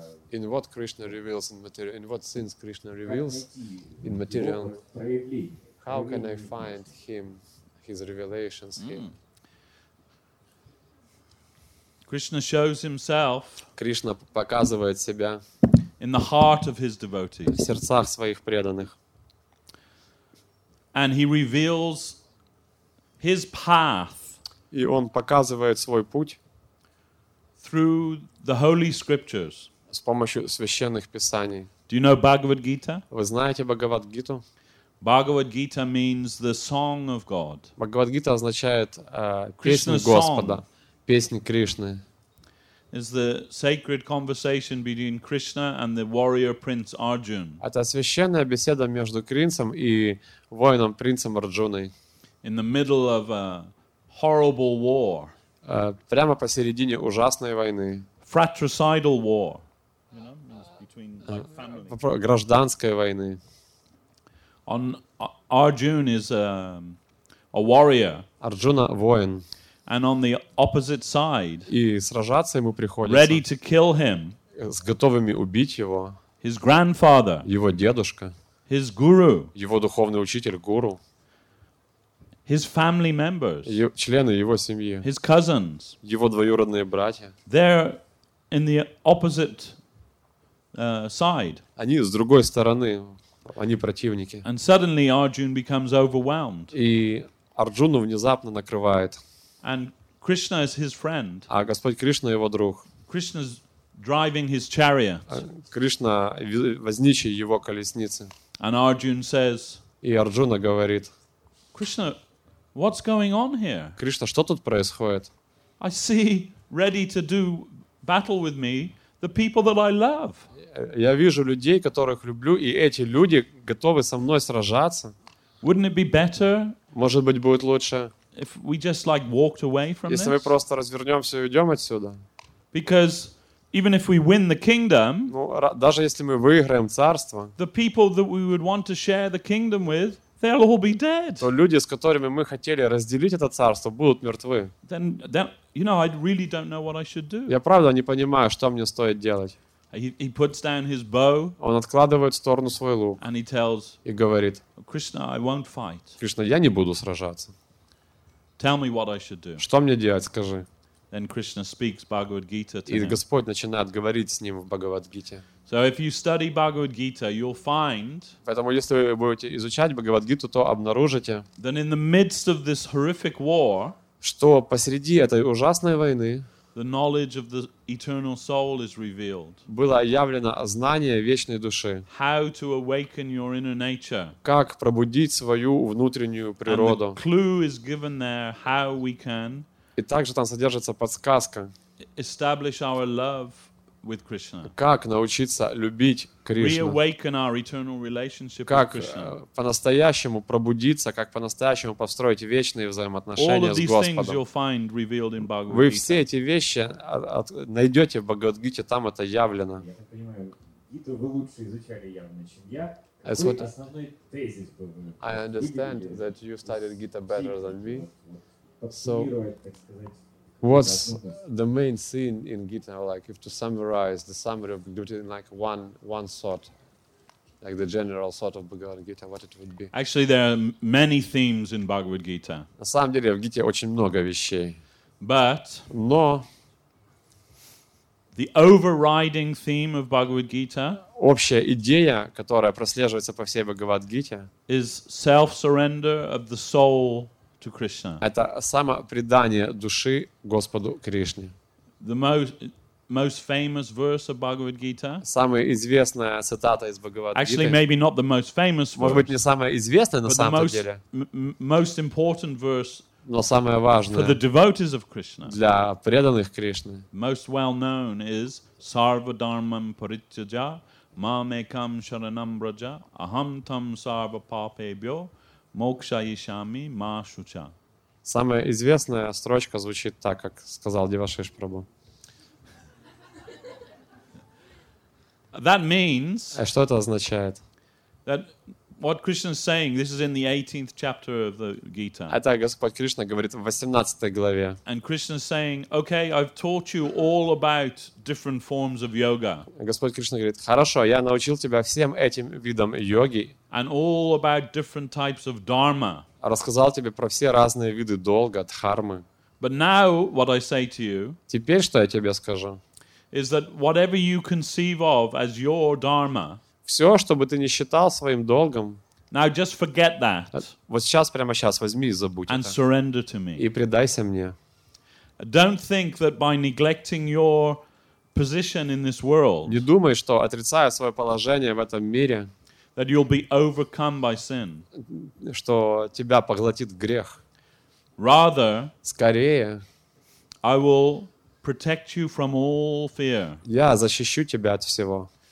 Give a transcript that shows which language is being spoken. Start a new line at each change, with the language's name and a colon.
English: In what Krishna reveals in material, in what sense Krishna reveals in material, how can I find him, his revelations, him? Krishna shows himself.
Russian: Кришна показывает себя.
English: In the heart of his devotees.
Russian: В сердцах своих преданных.
English: And he reveals his path.
Russian: И он показывает свой путь.
English: Through the holy scriptures.
Russian: С помощью священных писаний.
English: Do you know Bhagavad Gita?
Russian: Вы знаете Бхагавад Гиту?
English: Bhagavad Gita means the song of God.
Russian: Бхагавад Гита означает песню Господа, песнь Кришны.
English: Is the sacred conversation between Krishna and the warrior prince Arjun.
Russian: Это священная беседа между принцем и воином принцем Арджуной.
English: In the middle of a horrible war.
Russian: Прямо посередине ужасной войны.
English: Fratricidal war, you know, means between like family.
Russian: Гражданской войны.
English: On Arjun is a warrior.
Russian: Арджуна воин.
English: And on the opposite side.
Russian: И сражаться ему приходится.
English: Ready to kill him.
Russian: С готовыми убить его.
English: His grandfather.
Russian: Его дедушка.
English: His guru.
Russian: Его духовный учитель гуру.
English: His family members,
Russian: члены его семьи,
English: his cousins,
Russian: его двоюродные братья,
English: they're in the opposite side.
Russian: Они с другой стороны, они противники.
English: And suddenly Arjun becomes overwhelmed.
Russian: И Арджуну внезапно накрывает.
English: And Krishna is his friend.
Russian: А Господь Кришна его друг.
English: Krishna's driving his chariot.
Russian: Кришна возничий его колесницы.
English: And Arjun says,
Russian: и Арджуна говорит,
English: Krishna. What's going on here?
Russian: Кришна, что тут происходит?
English: I see ready to do battle with me the people that I love.
Russian: Я вижу людей, которых люблю, и эти люди готовы со мной сражаться.
English: Wouldn't it be better?
Russian: Может быть, будет лучше.
English: If we just like walked away from this.
Russian: Если мы просто развернемся и уйдем отсюда.
English: Because even if we win the kingdom,
Russian: ну, даже если мы выиграем царство,
English: the people that we would want to share the kingdom with. They'll all be dead.
Russian: То люди, с которыми мы хотели разделить это царство, будут мертвы.
English: Then, you know, I really don't know what I should do.
Russian: Я правда не понимаю, что мне стоит делать.
English: He puts down his bow.
Russian: Он откладывает в сторону свой лук.
English: And he tells.
Russian: И говорит.
English: Krishna, I won't fight.
Russian: Кришна, я не буду сражаться.
English: Tell me what I should do.
Russian: Что мне делать, скажи.
English: Then Krishna speaks Bhagavad Gita to him.
Russian: И Господь начинает говорить с ним в Бхагавад Гите.
English: So if you study Bhagavad Gita, you'll find.
Russian: Поэтому если вы будете изучать Бхагавад Гиту, то обнаружите.
English: That in the midst of this horrific war.
Russian: Что посреди этой ужасной войны.
English: The knowledge of the eternal soul is revealed.
Russian: Было явлено знание вечной души.
English: How to awaken your inner nature.
Russian: Как пробудить свою внутреннюю природу.
English: And the clue is given there how we can.
Russian: И также там содержится подсказка.
English: Establish our love. With Krishna.
Russian: Как научиться любить Кришну?
English: Reawaken our eternal relationship with Krishna.
Russian: Как по-настоящему пробудиться, как по-настоящему построить вечные взаимоотношения
English: All of these
Russian: с Господом.
English: Things you'll find revealed in Bhagavad Gita.
Russian: Вы все эти вещи найдете в Бхагавад Гите, там это явлено. Я так понимаю, Гиту вы лучше изучали явно, чем я.
English: That's what
Russian: основной тезис был.
English: I understand that you studied Gita better than me. So,
Russian: так сказать,
English: What's the main sin in Gita? Like, if to summarize the summary of Gita in like one thought, like the general thought of Bhagavad Gita, what it would be? Actually, there are many themes in Bhagavad Gita.
Russian: На самом деле в Гите очень много вещей.
English: But
Russian: но
English: the overriding theme of Bhagavad Gita,
Russian: общая идея, которая прослеживается по всей Бхагавад Гите,
English: is self-surrender of the soul to Krishna.
Russian: Это самопредание души Господу Кришне.
English: The most famous verse of Bhagavad Gita.
Russian: Самая известная цитата из Бхагавад Гиты.
English: Actually, maybe not the most famous verse.
Russian: Может быть, не самая известная на самом деле.
English: Most important verse.
Russian: Но самое важное
English: for the devotees of Krishna,
Russian: для преданных Кришны.
English: Most well known is
Sanskrit: sarva dharmam parityaja mam ekam sharanam braja aham tam sarva papebhyo moksha yishami ma shucha.
Russian: Самая известная строчка звучит так, как сказал Дивашиш Прабху.
English: That means,
Russian: а что это означает?
English: That what Krishna is saying, this is in the 18th chapter of the Gita.
Russian: Это Господь Кришна говорит в 18 главе.
English: And Krishna is saying, okay, I've taught you all about different forms of yoga.
Russian: Господь Кришна говорит, хорошо, я научил тебя всем этим видам йоги.
English: And all about different types of dharma.
Russian: Рассказал тебе про все разные виды долга, дхармы.
English: But now, what I say to you,
Russian: теперь что я тебе скажу,
English: is that whatever you conceive of as your dharma,
Russian: все, что бы ты не считал своим долгом,
English: now just forget that.
Russian: Вот сейчас, прямо сейчас, возьми и забудь
English: and
Russian: это.
English: Surrender to me.
Russian: И предайся мне.
English: Don't think that by neglecting your position in this world,
Russian: не думай, что отрицая свое положение в этом мире,
English: that you'll be overcome by sin,
Russian: что тебя поглотит грех.
English: Rather,
Russian: скорее,
English: I will protect you from all fear.
Russian: Я защищу тебя от всего.